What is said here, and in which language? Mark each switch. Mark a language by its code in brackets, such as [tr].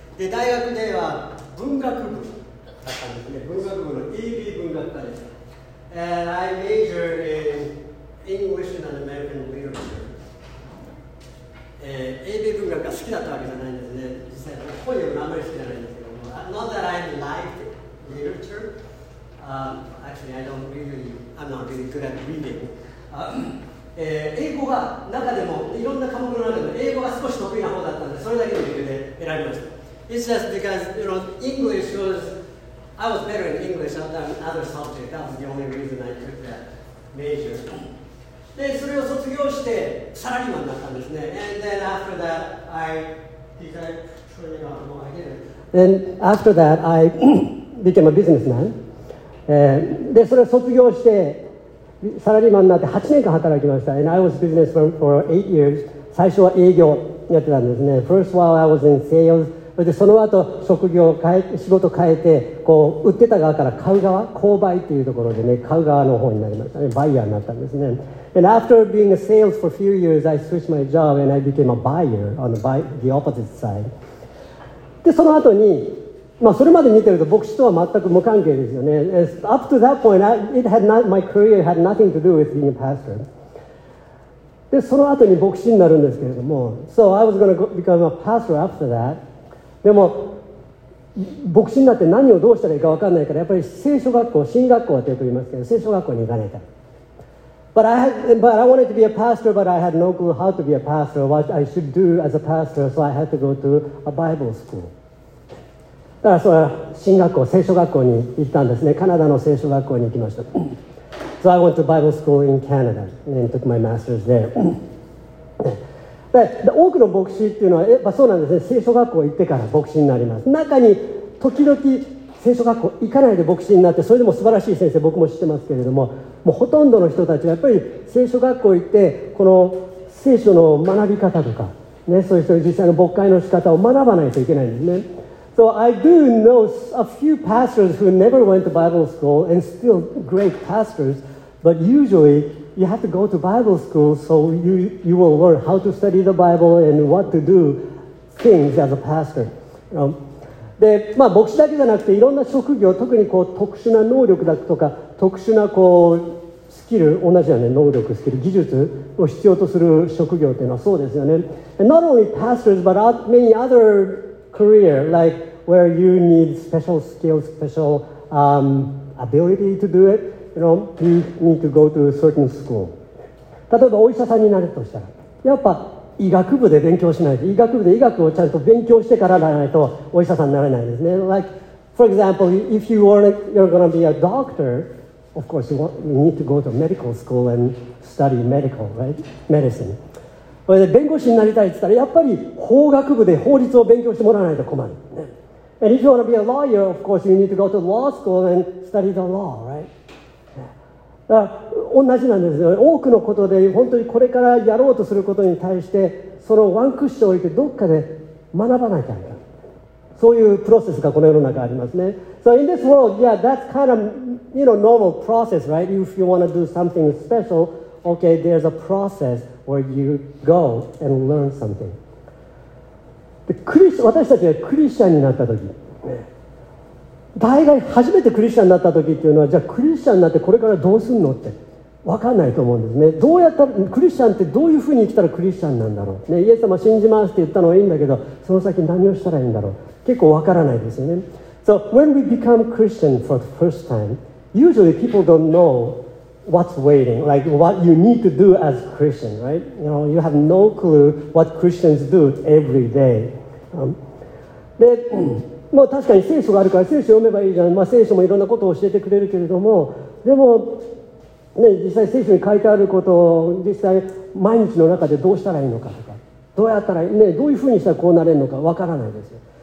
[ja] で、大学では文学部だったんですね。文学部の EB 文学科です。 [en] And I majored in English and American Literature. [ja] EB 文学が好きだったわけじゃないんですね。実際、本読むのあまり好きじゃないんですけども。 [en] Not that I liked it. Literature. Actually, I don't really. I'm not really good at reading. [ja] 英語が中でもいろんな科目の中でも英語が少し得意な方だったので、それだけの理由で選びました。 [en] It's just because you know English was I was better in English than other subjects. That was the only reason I took that major. [ja] で、それを卒業してサラリーマンになったんですね。 [en] And then after that, I decided. No, I didn't. Then after that, I became a businessman. [ja] で、それを卒業してサラリーマンになって8年間働きました。 [en] And I was businessman for 8 years. [ja] 最初は営業やってたんですね。 [en] First while I was in sales. [ja] で、その後職業を変え、仕事を変えて、こう売ってた側から買う側、購買っていうところでね、買う側の方になりました。バイヤーになったんですね。 [en] And after being a sales for a few years, I switched my job and I became a buyer on the opposite side. [ja] で、その後にまあ、それまで見てると牧師とは全く無関係ですよね。 [en] Up to that point, it had not, my career had nothing to do with being a pastor. [ja] で、その後に牧師になるんですけれども、 [en] So I was going to become a pastor after that. [ja] でも、牧師になって何をどうしたらいいか分からないから、やっぱり聖書学校、新学校はと言いますけど、聖書学校に行かないと。 [en] But I wanted to be a pastor, but I had no clue how to be a pastor, what I should do as a pastor, so I had to go to a Bible school. [ja] だからそれは新学校、聖書学校に行ったんですね。カナダの聖書学校に行きました。 [en] So I went to Bible school in Canada and took my master's there. [ja] で多くの牧師っていうのは、やっぱそうなんですね。聖書学校行ってから牧師になります。中に時々聖書学校行かないで牧師になって、それでも素晴らしい先生、僕も知ってますけれども、もうほとんどの人たちはやっぱり聖書学校行って、この聖書の学び方とか、ね、そういう人に実際の牧会の仕方を学ばないといけないんですね。 [en] So I do know a few pastors who never went to Bible school and still great pastors, but usually you have to go to Bible school so you will learn how to study the Bible and what to do things as a pastor. [ja] で、まあ牧師だけじゃなくていろんな職業、特にこう特殊な能力だとか特殊なこうスキル、同じよね、能力、スキル、技術を必要とする職業っていうのはそうですよね。 [en] And not only pastors, but many other career, like where you need special skills, special ability to do it, you know, you need to go to a certain school. [ja] 例えばお医者さんになるとしたら、やっぱ医学部で勉強しないと、医学部で医学をちゃんと勉強してからならないとお医者さんになれないですね。 [en] Like, for example, if you want, you're going to be a doctor, of course, you need to go to medical school and study medical, right? Medicine. [ja] これで弁護士になりたいって言ったら、やっぱり法学部で法律を勉強してもらわないと困る。 [en] And if you want to be a lawyer, of course you need to go to law school and study the law, right? [ja] だから同じなんですよ。多くのことで本当にこれからやろうとすることに対して、そのワンクッションを置いてどっかで学ばなきゃいけない。そういうプロセスがこの世の中ありますね。 [en] So in this world, yeah, that's kind of, you know, normal process, right? If you want to do something special,Okay, there's a process where you go and learn something. [ja] で、私たちがクリスチャンになった時、大概初めてクリスチャンになった時っていうのは、じゃあクリスチャンになってこれからどうすんのって分かんないと思うんですね。どうやったらクリスチャンって、どういうふうに生きたらクリスチャンなんだろう、ね、イエス様信じますって言ったのはいいんだけど、その先何をしたらいいんだろう、結構分からないですよね。 [en] So when we become Christian for the first time, usually people don't knowWhat's waiting, like what you need to do as a Christian, right? You know, you have no clue what Christians do every day. [ja] で、まあ確かに聖書があるから聖書読めばいいじゃん。まあ聖書もいろんなことを教えてくれるけれども、でも、ね、実際聖書に書いてあることを実際毎日の中でどうしたらいいのかとか、どうやったら、ね、どういうふうにしたらこうなれるのかわからないですよ。